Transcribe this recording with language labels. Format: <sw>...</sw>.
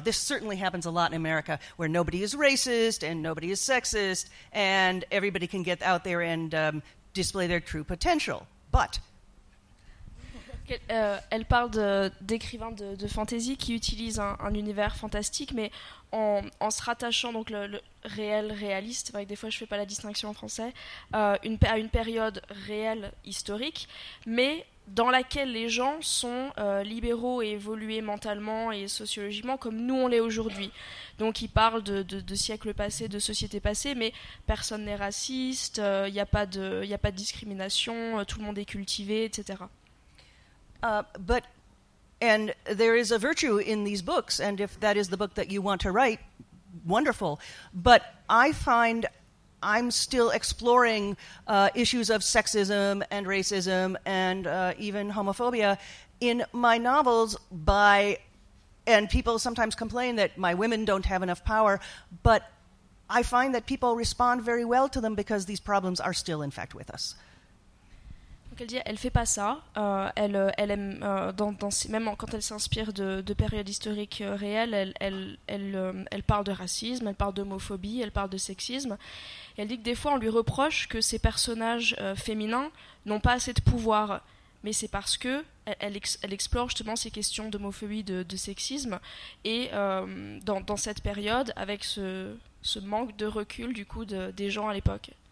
<en>This certainly happens a lot in America, where nobody is racist and nobody is sexist, and everybody can get out there and display their true potential. But</en> <fr>Elle parle d'écrivains de fantasy qui utilisent un univers fantastique, mais en se rattachant donc le réel réaliste, c'est vrai que des fois je ne fais pas la distinction en français, à une période réelle historique, mais dans laquelle les gens sont libéraux et évolués mentalement et sociologiquement comme nous on l'est aujourd'hui. Donc il parle de siècles passés, de sociétés passées, mais personne n'est raciste, il n'y a pas de discrimination, tout le monde est cultivé, etc.</fr> <en>But and there is a virtue in these books, and if that is the book that you want to write, wonderful. But I find I'm still exploring issues of sexism and racism and even homophobia in my novels. And people sometimes complain that my women don't have enough power, but I find that people respond very well to them because these problems are still, in fact, with us.</en> <fr>Donc elle dit, elle fait pas ça. Elle aime quand elle s'inspire de périodes historiques réelles, elle parle de racisme, elle parle d'homophobie, elle parle de sexisme. Et elle dit que des fois on lui reproche que ses personnages féminins n'ont pas assez de pouvoir, mais c'est parce que elle explore justement ces questions d'homophobie, de sexisme, et dans cette période avec ce manque de recul du coup des gens à l'époque.</fr>